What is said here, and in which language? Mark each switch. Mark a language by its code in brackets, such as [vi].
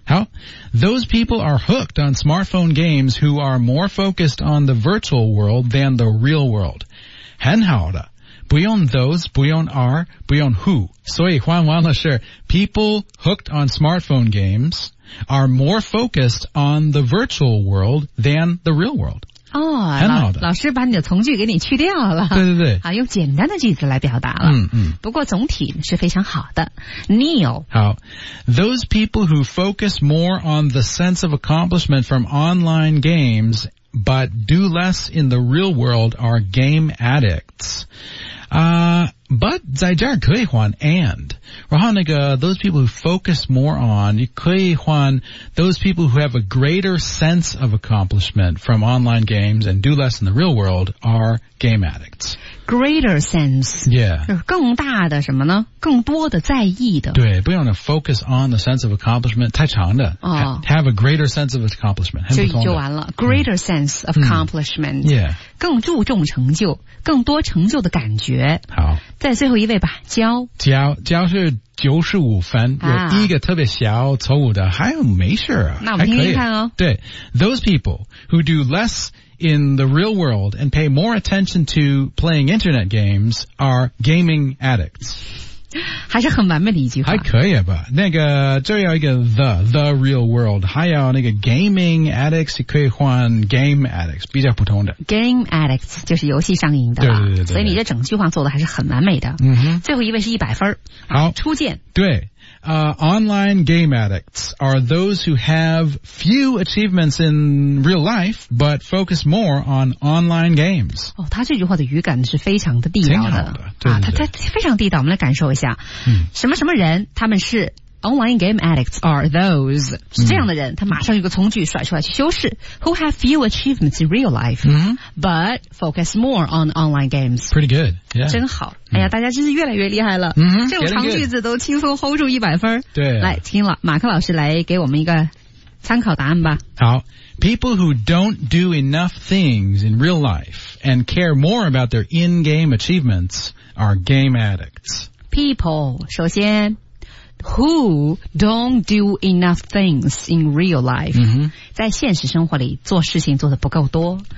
[en] 好 ，those people are hooked on smartphone games who are more focused on the virtual world than the real world. [zh] 很好的，不用 those， 不用 are， 不用 who。所以换完了是 [en] people hooked on smartphone games。 Are more focused on the virtual world than the real world. [zh] 哦，老师把你的从句给你去掉了。对对对，啊，用简单的句子来表达了。不过总体是非常好的。Neil， [en] 好 ，those people who focus more on the sense of accomplishment from online games but do less in the real world are game addicts. But [zh] 在这儿可以换 [en] and， [zh] 然后那个 [en] those people who focus more on， [zh] 你可以换 [en] those people who have a greater sense of accomplishment from online games and do less in the real world are game addicts. Greater sense， yeah， [zh] 更大的什么呢？更多的在意的。对，不用 [en] focus on the sense of accomplishment， [zh] 太长的。 [en] Oh. Have a greater sense of accomplishment， [zh] 就完了。 [en] Greater sense of accomplishment， yeah， [zh] 更注重成就，更多成就的感觉。好。在最后一位吧，焦。焦是95分，有一个特别小错误的，还有没事啊。那我们听听看哦。 [en] 对 ，those people who do less in the real world and pay more attention to playing internet games are gaming addicts。 [zh] 还是很完美的一句话，还可以吧？那个这有一个 [en] the real world， [zh] 还有那个 [en] gaming addicts [zh] 可以换 [en] game addicts， [zh] 比较普通的 [en] game addicts [zh] 就是游戏上瘾的了。对，所以你这整句话做的还是很完美的。嗯哼，最后一位是100分，好，初见。对。 [en] Online game addicts are those who have few achievements in real life, but focus more on online games. [zh] 哦，他这句话的语感是非常的地道的。挺好的，对对对。他非常地道，我们来感受一下。嗯。什么什么人，他们是 [en] online game addicts are those, [zh] 是这样的人，他马上有个从句甩出来去修饰。 [en] Who have few achievements in real life, but focus more on online games. Pretty good. Yeah. [zh] 真好。哎呀，大家真是越来越厉害了。这种长句子都轻松 hold 住100分。对、啊。来，听了马克老师来给我们一个参考答案吧。好。 [en] People who don't do enough things in real life and care more about their in-game achievements are game addicts. People, [zh] 首先 , [en] who don't do enough things in real life,、 [zh] 在现实生活里做事情做得不够多。